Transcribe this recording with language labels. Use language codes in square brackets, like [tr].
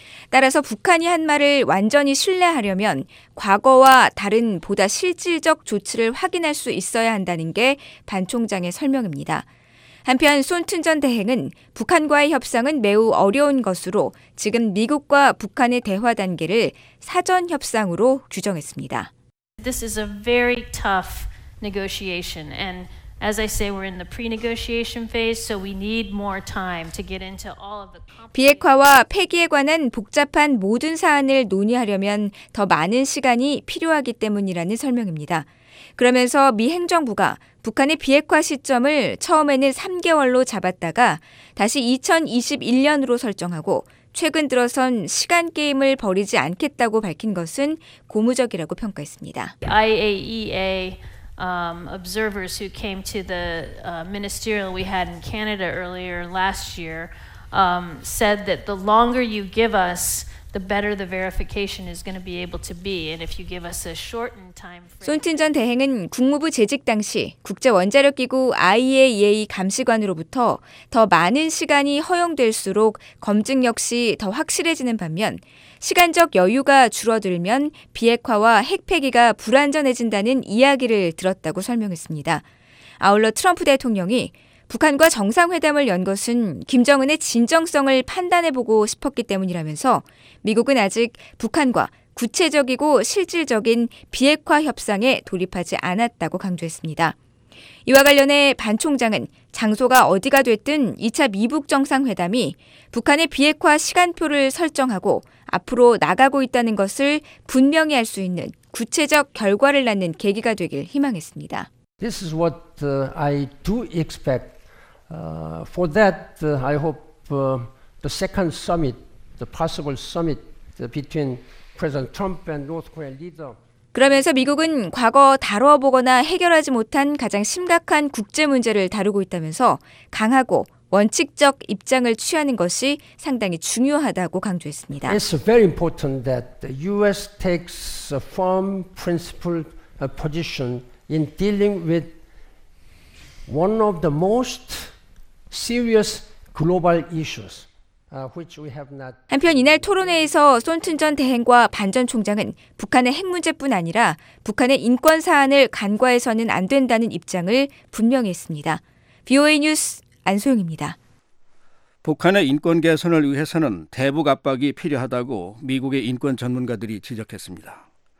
[ko] 따라서 북한이 한 말을 완전히 신뢰하려면 과거와 다른 보다 실질적 조치를 확인할 수 있어야 한다는 게 반 총장의 설명입니다. 한편 쏜튼 전 대행은 북한과의 협상은 매우 어려운 것으로 지금 미국과 북한의 대화 단계를 사전 협상으로 규정했습니다. [en] This is a very tough negotiation and As I say, we're in the pre-negotiation phase, so we need more time to get into all of the [ko] 비핵화와 폐기에 관한 복잡한 모든 사안을 논의하려면 더 많은 시간이 필요하기 때문이라는 설명입니다. 그러면서 미 행정부가 북한의 비핵화 시점을 처음에는 3개월로 잡았다가 다시 2021년으로 설정하고 최근 들어선 시간 게임을 벌이지 않겠다고 밝힌 것은 고무적이라고 평가했습니다. [en] IAEA observers who came to the ministerial we had in Canada earlier last year said that the longer you give us, the better the verification is going to be able to be. And if you give us a shortened time frame. [ko] 손튼 전 대행은 국무부 재직 당시 국제원자력기구 IAEA 감시관으로부터 더 많은 시간이 허용될수록 검증 역시 더 확실해지는 반면 시간적 여유가 줄어들면 비핵화와 핵 폐기가 불안전해진다는 이야기를 들었다고 설명했습니다. 아울러 트럼프 대통령이 북한과 정상회담을 연 것은 김정은의 진정성을 판단해보고 싶었기 때문이라면서 미국은 아직 북한과 구체적이고 실질적인 비핵화 협상에 돌입하지 않았다고 강조했습니다. 이와 관련해 반 총장은 장소가 어디가 됐든 2차 미북 정상회담이 북한의 비핵화 시간표를 설정하고 앞으로 나가고 있다는 것을 분명히 할 수 있는 구체적 결과를 낳는 계기가 되길 희망했습니다. [en] This is what I do expect. For that, I hope the second summit, the possible summit between President Trump and North Korean leader. [ko] 그러면서 미국은 과거 다뤄보거나 해결하지 못한 가장 심각한 국제 문제를 다루고 있다면서 강하고 원칙적 입장을 취하는 것이 상당히 중요하다고 강조했습니다. [en] It's very important that the U.S. takes a firm, principled position in dealing with one of the most serious global issues. Which we have not. [ko] 한편 이날 토론회에서 손튼 전 대행과 반 전 총장은 북한의 핵 문제뿐 아니라 북한의 인권 사안을 간과해서는 안 된다는 입장을 분명히 했습니다. VOA 뉴스 안소영입니다. 북한의 인권 개선을 위해서는 대북 압박이 필요하다고 미국의 인권 전문가들이 지적했습니다.